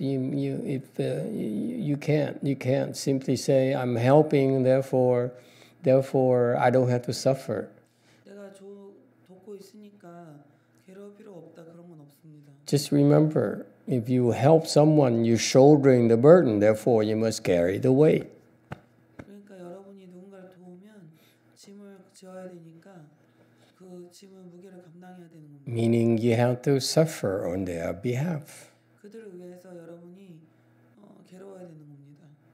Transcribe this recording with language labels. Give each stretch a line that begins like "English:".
English: You can't simply say I'm helping, therefore I don't have to suffer.
Korean: 내가 돕고 있으니까 괴로울 필요 없다 그런 건 없습니다.
English: Just remember, if you help someone, you're shouldering the burden. Therefore, you must carry the weight.
Korean: 그러니까 여러분이 누군가를 도우면 짐을 지어야 되니까 그 짐을 무게를 감당해야 되는 겁니다.
English: Meaning you have to suffer on their behalf.
Korean: 그들을 위해서 여러분이 괴로워야 되는 겁니다.